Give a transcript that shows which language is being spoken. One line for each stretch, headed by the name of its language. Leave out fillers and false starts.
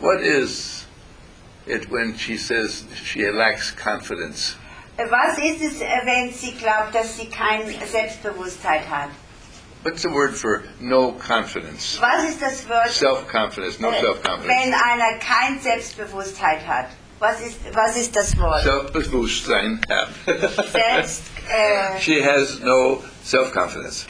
English: What is it when she says she lacks confidence?
German: Was ist es, wenn sie glaubt, dass sie keine Selbstbewusstheit hat?
English: What's the word for no confidence?
German: Was ist das Wort?
English: Self-confidence, no self-confidence.
German: Wenn einer kein Selbstbewusstheit hat, was ist das Wort? Selbstbewusstsein. Selbst.
English: She has no self-confidence.